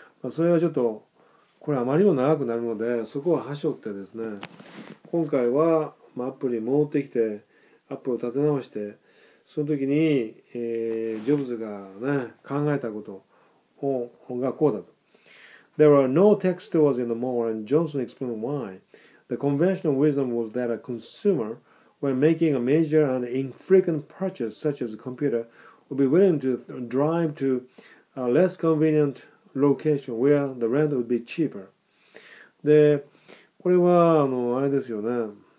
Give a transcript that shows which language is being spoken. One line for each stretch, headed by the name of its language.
Japanese: それはちょっとこれあまりにも長くなるので、そこは端折ってですね、今回はアップルに戻ってきて、アップルを立て直して、その時に、ジョブズがね考えたことがこうだと。
English: There are no tech stores in the mall, and Johnson explained why. The conventional wisdom was that a consumer, when making a major and infrequent purchase such as a computer, would be willing to drive to a less convenientlocation where the rent would be cheaper.
Japanese: で、これはあのあれですよね。